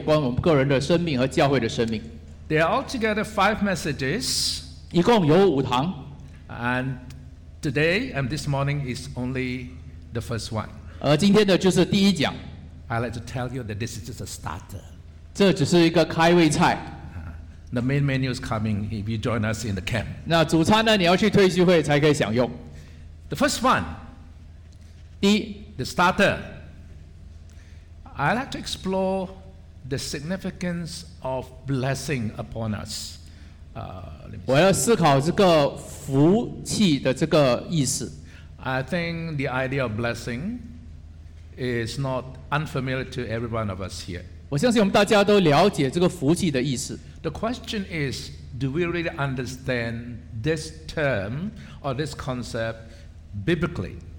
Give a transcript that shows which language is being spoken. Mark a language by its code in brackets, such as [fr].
[zh] 接着亚伯拉罕的故事，我们来思考一些的重要的话题，就是特别有关我们个人的生命和教会的生命. [en] There are altogether 5 messages. [zh] 一共有5堂. [en] And today and this morning is only the first one. [zh] 而今天的就是第一讲. [en] I'd like to tell you that this is just a starter. [zh] 这只是一个开胃菜. [en] The main menu is coming if you join us in the camp. [zh] 那主餐呢，你要去退休会才可以享用. [en] The first one, [zh] 第一, [en] the starter, I'd like to explore the significance of blessing upon us. [zh] 我要思考这个福气的这个意思. [en] I think the idea of blessing is not unfamiliar to every one of us here. [zh] 我相信我们大家都了解这个福气的意思. [en] The question is, do we really understand this term or this concept biblically?